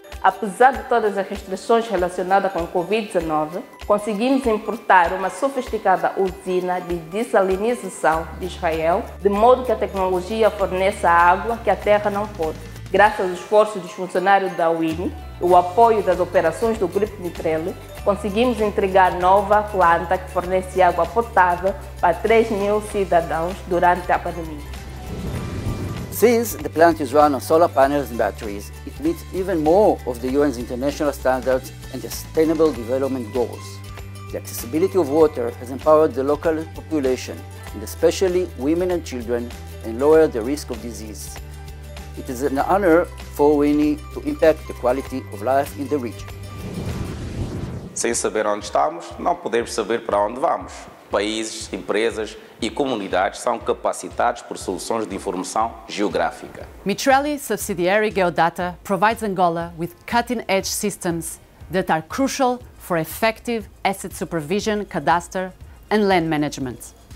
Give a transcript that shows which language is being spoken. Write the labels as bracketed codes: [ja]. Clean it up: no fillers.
[pt] Apesar de todas as restrições relacionadas com o Covid-19, conseguimos importar uma sofisticada usina de desalinização de Israel, de modo que a tecnologia forneça água que a terra não pode. Graças ao esforço dos funcionários da UINI e o apoio das operações do Grupo Mitrelli, conseguimos entregar nova planta que fornece água potável para 3 mil cidadãos durante a pandemia. [en] Since the plant is run on solar panels and batteries, it meets even more of the UN's international standards and the Sustainable Development Goals. The accessibility of water has empowered the local population, and especially women and children, and lowered the risk of disease. It is an honor for Winnie to impact the quality of life in the region. [pt] Sem saber onde estamos, não podemos saber para onde vamos. Países, empresas e comunidades são capacitados por soluções de informação geográfica. [en] Mitrelli Subsidiary Geodata provides Angola with cutting-edge systems that are crucial for effective asset supervision, cadastre and land management.